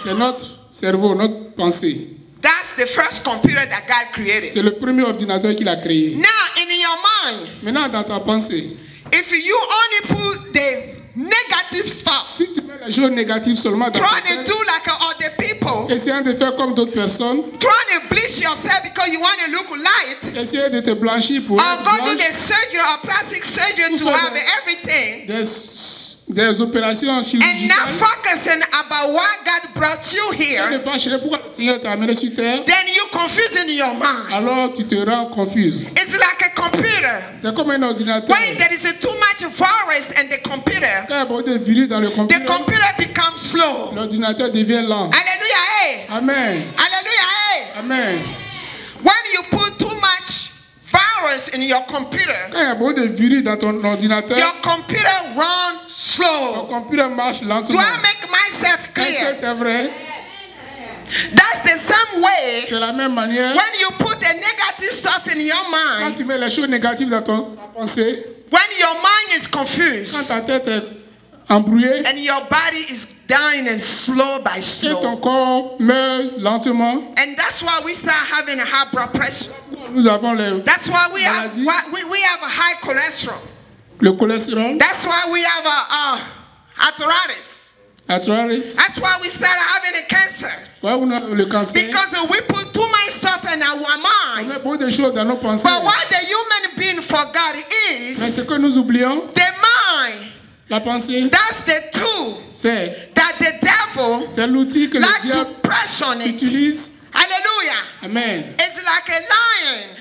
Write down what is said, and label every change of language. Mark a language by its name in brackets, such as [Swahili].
[French] C'est notre cerveau, notre pensée. [English] That's the first computer that God created. [French] C'est le premier ordinateur qu'il a créé. [English] Now in your mind. [French] Maintenant dans ta pensée. [English] If you only put the negative stuff. [French] Si tu mets les choses négatives seulement dans ta tête. [English] Trying to do like other people. [French] Essayant de faire comme d'autres personnes. [English] Trying to bleach yourself because you want to look light. [French] Essayer de te blanchir pour être blanche. [English] Or go do the surgery or plastic surgery to have everything. [French] Des opérations chirurgicales. [English] And not focusing about why God brought you here. Then you confuse in your mind. [French] Alors tu te rends confuse. [English] It's like a computer. [French] C'est comme un ordinateur. [English] When there is too much virus in the computer. [French] Quand il y a des virus dans le computer. [English] The computer becomes slow. [French] L'ordinateur devient lent. Alléluia. Hey. Amen. Alléluia. Hey. Amen. [English] When you put too much virus in your computer. [French] Quand il y a beaucoup de virus dans ton ordinateur. [English] Your computer runs. So, [French] ton computer marche lentement. [English] Do I make myself clear? [French] Est-ce que c'est vrai? [English] That's the same way. [French] C'est la même manière. [English] When you put a negative stuff in your mind. [French] Quand tu mets les choses négatives dans ta pensée. [English] When your mind is confused. [French] Quand ta tête est embrouillée. [English] And your body is dying and slow by slow. [French] Et ton corps meurt lentement. [English] And that's why we start having a high blood pressure. [French] Nous avons les maladies. [English] That's why we have a high cholesterol. [French] Le cholestérol. [English] That's why we have arthritis. Arthritis. That's why we start having a cancer. Why we have le cancer? Because we put too much stuff in our mind. [French] On met beaucoup de choses dans nos pensées. [English] But what the human being forgot is. [French] Mais ce que nous oublions. [English] The mind. [French] La pensée. [English] That's the tool. [French] C'est. [English] That the devil. [French] C'est l'outil que [English] like [French] le diable [English] press on it. [French] Utilise. Hallelujah. Amen. [English] It's like a lion.